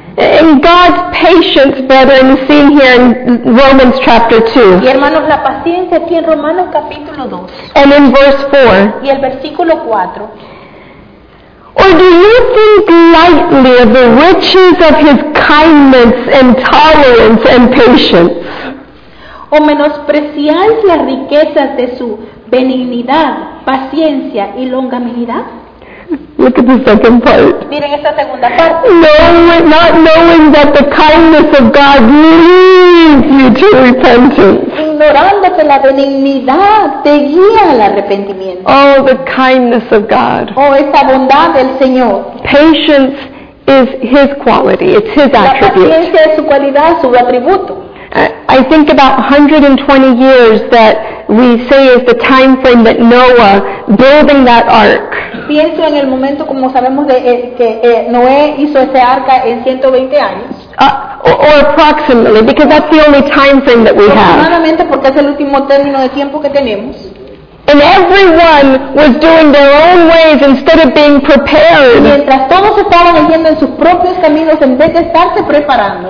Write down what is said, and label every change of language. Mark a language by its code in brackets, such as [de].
[en] And God's patience, brethren, is seen here in Romans chapter 2. [es] Y hermanos, la paciencia aquí en Romanos capítulo 2. [en] And in verse 4. [es] Y el versículo 4. [en] Or do you think lightly of the riches of his kindness and tolerance and patience? [es] ¿O menospreciáis las riquezas de su benignidad, paciencia y longanimidad? [en] Look at the second part. [es] Miren esta segunda parte. [en] Not knowing that the kindness of God leads you to repentance. [es] Ignorando que la benignidad te guía al arrepentimiento. [en] Oh, the kindness of God. [es] Oh, esa bondad del Señor. [en] Patience is his quality, it's his attribute. [es] La paciencia es su cualidad, su atributo. [en] I think about 120 years that we say is the time frame that Noah building that ark. [es] Pienso en el momento como sabemos de que Noé hizo ese arca en 120 años. [en] Or approximately, because that's the only time frame that we have. [es] Aproximadamente porque es el último término de tiempo que tenemos. [en] And everyone was doing their own ways instead of being prepared. [es] Mientras todos estaban yendo en sus propios caminos en vez de estarse preparando.